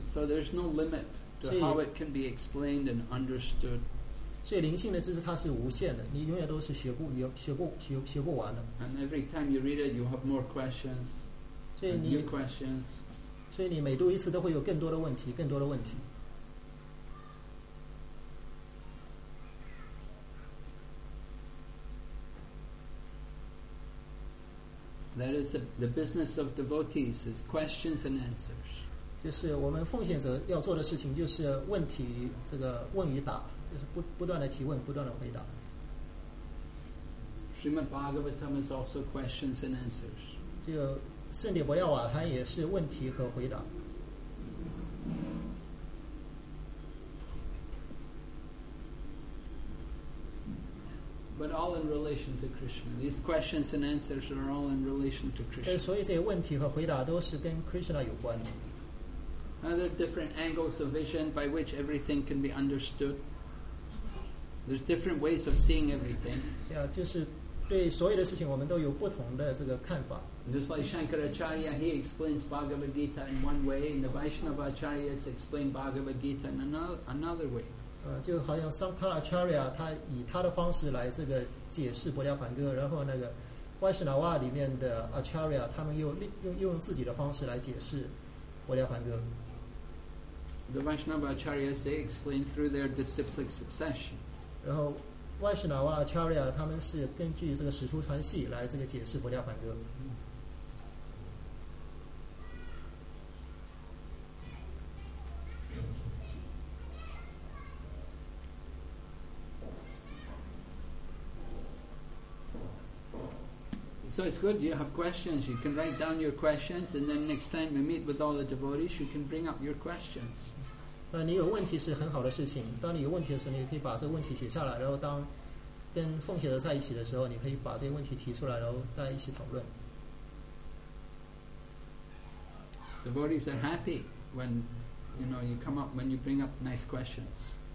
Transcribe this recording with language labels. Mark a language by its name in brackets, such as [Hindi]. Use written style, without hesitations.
[English] So there's no limit to how it can be explained and understood. [Chinese] 所以灵性的知识它是无限的，你永远都是学不完的。 [English] And every time you read it, you have more questions. [Chinese] 所以你 [English] new questions. [Chinese] 所以你每读一次都会有更多的问题，更多的问题。 [English] That is the business of devotees, is questions and answers. [Chinese] 就是我们奉献者要做的事情，就是问题这个问与答，就是不断的提问，不断的回答。 [English] Srimad Bhagavatam is also questions and answers. [Chinese] 这个圣地伯耀瓦它也是问题和回答。 [English] But all in relation to Krishna. These questions and answers are all in relation to Krishna. [Chinese] 所以这些问题和回答都是跟 Krishna 有关的。 [English] Are there different angles of vision by which everything can be understood? There's different ways of seeing everything. [Chinese] Yeah, 就是对所有的事情我们都有不同的这个看法。 [English] Just like Shankaracharya, he explains Bhagavad Gita in one way, and the Vaishnava Acharyas explain Bhagavad Gita in another way. [Chinese] 就好像 Shankaracharya 他以他的方式来这个解释《般若梵歌》，然后那个 Vaishnava 里面的 Acharya 他们又用自己的方式来解释。 [English] The Vaishnava Acharyas, they explain through their disciplic succession. [Chinese] 然后 Vaishnava Acharya 他们是根据这个使徒传系来这个解释般若梵歌。 [English] So it's good, you have questions. You can write down your questions, and then next time we meet with all the devotees, you can bring up your questions. [Chinese] 你有问题是很好的事情。当你有问题的时候，你可以把这个问题写下来，然后当跟奉献者在一起的时候，你可以把这些问题提出来，然后大家一起讨论。 [English] Devotees are happy when you know you come up when you bring up nice questions.